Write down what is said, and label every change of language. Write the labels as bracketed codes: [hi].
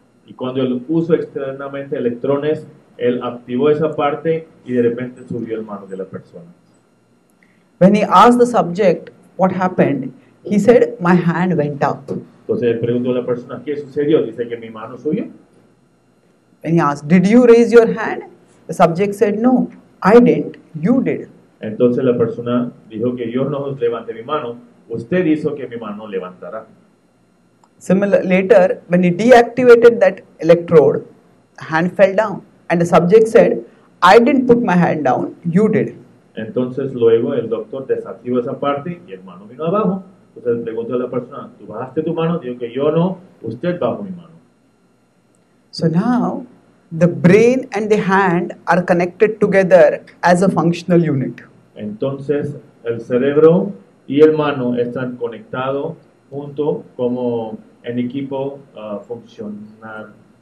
[es] Y cuando él puso externamente electrones, él activó esa parte y de repente subió el mano de la persona. [en] When he asked the subject what happened, he said, "My hand went up." [es] Entonces él preguntó a la persona, ¿qué sucedió? Dice que mi mano subió. [en] When he asked, "Did you raise your hand?" The subject said, "No, I didn't. You did." [es] Entonces la persona dijo que yo no levanté mi mano. Usted hizo que mi mano levantara. [en] Similar, later, when he deactivated that electrode, hand fell down. And the subject said, "I didn't put my hand down, you did." [es] Entonces luego el doctor desactivó esa parte y el mano vino abajo. Entonces preguntó a la persona, ¿tú bajaste tu mano? Dijo que yo no, usted bajó mi mano. [en] So now, the brain and the hand are connected together as a functional unit. [es] Entonces el cerebro y el mano están conectados junto como en equipo funcional.